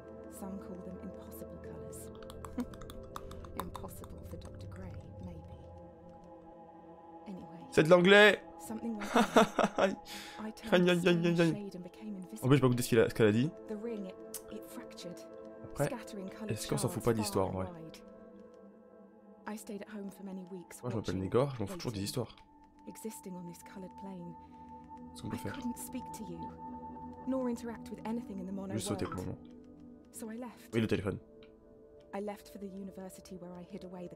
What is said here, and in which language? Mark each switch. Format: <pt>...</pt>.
<en>Some call them impossible colors. Impossible for Dr. Gray, maybe.</en> <fr>Anyway, c'est de l'anglais.</fr> <en>Something went wrong. I turned the shade and became invisible. The ring, it fractured. Scattering colors.</en> <fr>Est-ce qu'on s'en fout pas de l'histoire, en vrai?</fr> <en>I stayed at home for many weeks.</en> <fr>Moi, je m'appelle Negor, je m'en fous toujours des histoires.</fr> <en>Existing on this colored plane.</en> <fr>Ce qu'on peut faire.</fr> <en>I couldn't speak to you, nor interact with anything in the mono world.</en> <fr>Juste au téléphone.</fr> <en>So I left.</en> <fr>Oui, le téléphone.</fr> <en>I left for the university where I hid away the</en>